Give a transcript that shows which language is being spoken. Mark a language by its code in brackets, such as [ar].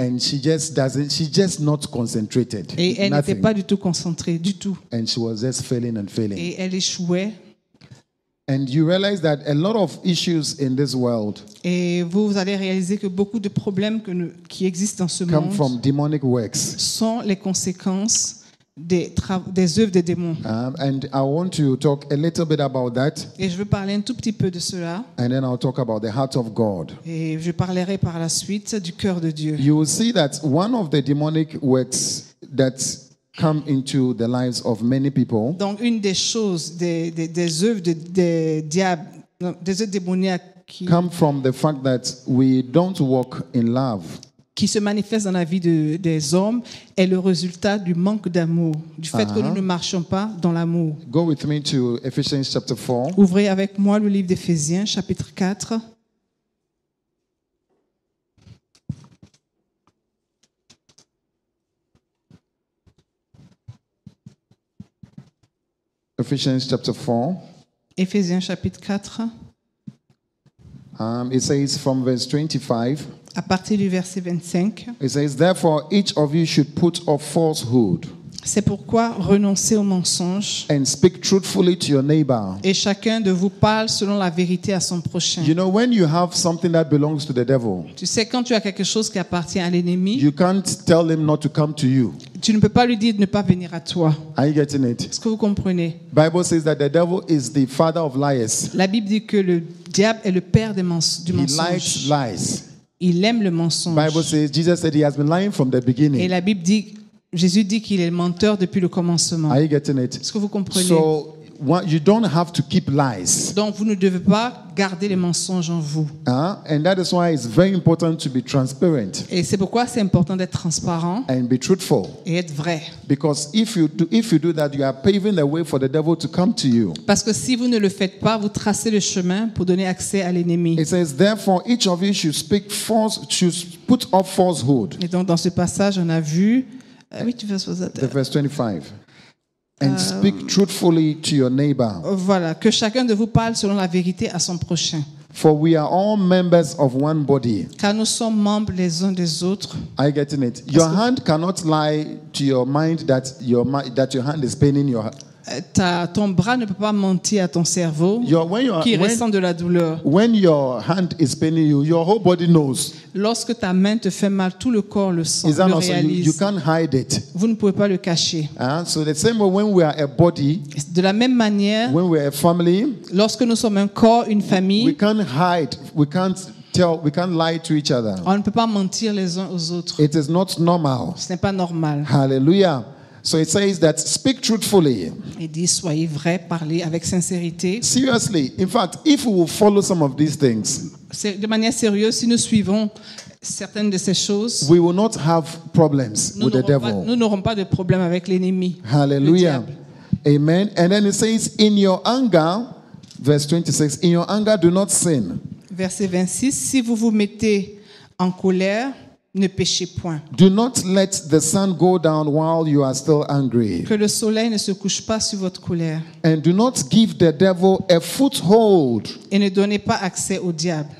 [en] And she just not concentrated. [fr] Et elle n'était pas du tout concentrée, du tout. [en] And she was just failing and failing. [fr] Et elle échouait. [en] And you realize that a lot of issues in this world. [fr] Et vous allez réaliser que beaucoup de problèmes qui existent dans ce [en] come [fr] monde [en] from demonic works. [fr] Sont les conséquences des œuvres des démons. [en] And I want to talk a little bit about that. [fr] Et je veux parler un tout petit peu de cela. [en] And then I'll talk about the heart of God. [fr] Et je parlerai par la suite du cœur de Dieu. [en] You will see that one of the demonic works that come into the lives of many people. [fr] Donc une des choses des œuvres des œuvres démoniaques qui [en] come from the fact that we don't walk in love. [fr] Qui se manifeste dans la vie des hommes est le résultat du manque d'amour, du fait que nous ne marchons pas dans l'amour. [en] Go with me to Ephesians chapter 4. [fr] Ouvrez avec moi le livre d'Éphésiens chapitre 4. [en] Ephesians chapter 4. [fr] Ephésiens chapitre 4. [en] It says from verse 25. [fr] À partir du verset 25. [en] It says, therefore, each of you should put off falsehood. [fr] C'est pourquoi renoncez au mensonge. [en] And speak truthfully to your neighbor. [fr] Et chacun de vous parle selon la vérité à son prochain. [en] You know, when you have something that belongs to the devil. [fr] Tu sais, quand tu as quelque chose qui appartient à l'ennemi. [en] You can't tell him not to come to you. [fr] Tu ne peux pas lui dire de ne pas venir à toi. [en] Are you getting it? [fr] Est-ce que vous comprenez? [en] Bible says that the devil is the father of liars. [fr] La Bible dit que le diable est le père du mensonge. [en] He likes lies. [fr] Il aime le mensonge. [en] Bible says Jesus said he has been lying from the beginning. [fr] Et la Bible dit Jésus dit qu'il est le menteur depuis le commencement. [en] Are you getting it? [fr] Est-ce que vous comprenez? [en] So you don't have to keep lies. [fr] Donc vous ne devez pas garder les mensonges en vous. [en] And that is why it's very important to be transparent. [fr] Et c'est pourquoi c'est important d'être transparent. [en] And be truthful. [fr] Et être vrai. [en] Because if you do that, you are paving the way for the devil to come to you. [fr] Parce que si vous ne le faites pas, vous tracez le chemin pour donner accès à l'ennemi. [en] It says, therefore, each of you should speak false, should put off falsehood. [fr] Et donc dans ce passage, on a vu. [en] Verse 25. And speak truthfully to your neighbor. [fr] Voilà, que chacun de vous parle selon la vérité à son prochain. [en] For we are all members of one body. [fr] Car nous sommes membres les uns des autres. [en] Are you getting it? Your hand cannot lie to your mind that your hand is paining your. [fr] Ton bras ne peut pas mentir à ton cerveau ressent de la douleur. [en] When your hand is paining you, your whole body knows. [fr] Lorsque ta main te fait mal, tout le corps le sent, le réalise. [en] You can't hide it. [fr] Vous ne pouvez pas le cacher. [en] So the same way when we are a body, [fr] de la même manière, [en] when we are a family, [fr] lorsque nous sommes un corps, une famille, [en] we can't hide, we can't lie to each other. [fr] On ne peut pas mentir les uns aux autres. [en] It is not normal. [fr] Ce n'est pas normal. [en] Hallelujah. So it says that speak truthfully. [fr] Il dit soyez vrai, parlez avec sincérité. [en] Seriously, in fact, if we will follow some of these things, [fr] de manière sérieuse, si nous suivons certaines de ces choses, [en] we will not have problems with the devil. [fr] Nous n'aurons pas de problème avec l'ennemi. [en] Hallelujah. Amen. And then it says, in your anger, verse 26, in your anger, do not sin. [fr] Verset 26, si vous vous mettez en colère, ne péchez point. [en] Do not let the sun go down while you are still angry. [fr] Que le soleil ne se couche pas sur votre colère. [en] And do not give the devil a foothold. [fr] Et ne donnez pas accès au diable.